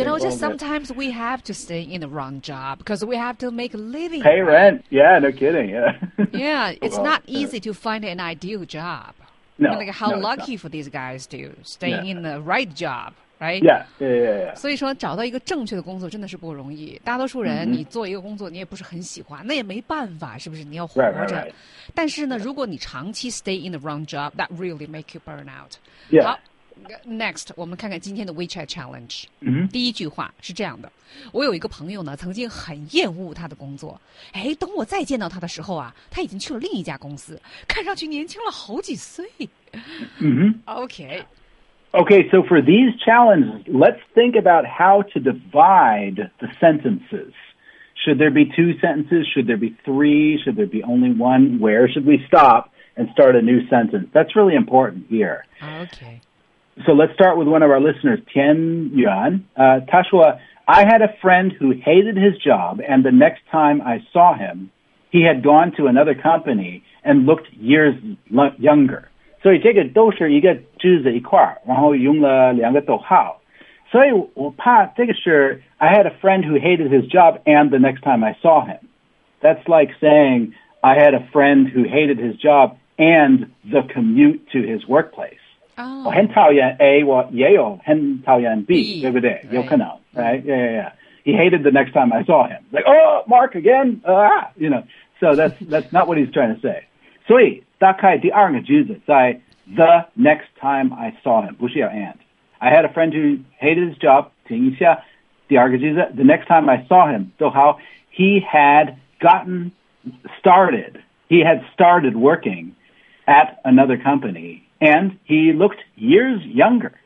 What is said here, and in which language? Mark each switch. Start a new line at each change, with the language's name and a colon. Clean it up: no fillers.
English: You know, just sometimes we have to stay in the wrong job because we have to make a living. Pay rent. Yeah, no kidding. Yeah. Yeah, it's not easy to find an ideal job. No. Like, how lucky for these guys to stay in the right job. right? Yeah, yeah, yeah, yeah.
Chinese: 所以说找到一个正确的工作真的是不容易。大多数人你做一个工作你也不是很喜欢，那也没办法，是不是？你要活着。
English: Right, right, right.
Chinese: 但是呢，如果你长期
English: stay in the wrong job, that really make you burn out. Yeah.
Chinese: 好 ,next, 我们看看今天的 WeChat Challenge.、第一句话是这样的。我有一个朋友呢，曾经很厌恶他的工作。哎，等我再见到他的时候啊，他已经去了另一家公司，看上去年轻了好几岁。
English: Okay. Okay, so for these challenges, let's think about how to divide the sentences. Should there be two sentences? Should there be three? Should there be only one? Where should we stop and start a new sentence? That's really important here. Okay. So let's start with one of our listeners, Tian Yuan. Tashua, I had a friend who hated his job, and the next time I saw him, he had gone to another company and looked years younger.
Chinese: 所以这个都是一个句子一块儿，然后用了两个逗号。所以我怕这个是
English: I had a friend who hated his job and the next time I saw him. That's like saying I had a friend who hated his job and the commute to his workplace.
Chinese: 我很讨厌 A, 我也有很讨厌 B, 对不对？有可能
English: ，right? Yeah, yeah, yeah. He hated the next time I saw him. Like, oh, Mark again? You know. So that's not what he's trying to say.
Chinese: 所以大概第二个句子在
English: the next time I saw him,
Chinese: 不是要 and.
English: I had a friend who hated his job,
Chinese: 听一下第二个句子
English: the next time I saw him,
Chinese: 逗号
English: he had gotten started, he had started working at another company, and he looked years younger.